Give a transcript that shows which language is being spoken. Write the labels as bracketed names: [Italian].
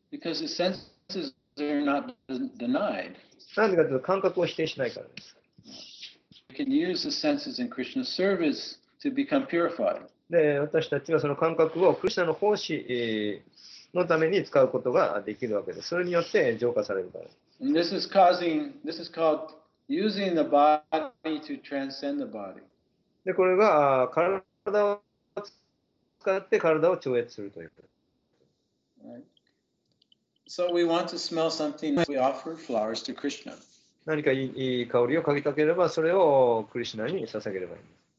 [English] Because the senses are not denied. [Japanese] なんでかというと感覚を否定しないからです。 [English] We can use the senses in Krishna's service to become purified. [Japanese] で、私たちはその感覚をクリシナの奉仕のために使うことができるわけです。それによって浄化されるからです。 [English] And this is causing, this is called using the body to transcend the body. [Japanese] で、これが体を使って体を超越するということです。 [English] So we want to smell something. We offer flowers to Krishna. [Japanese] 何かいい香りを嗅ぎたければ、それをクリシナに捧げればいいんです。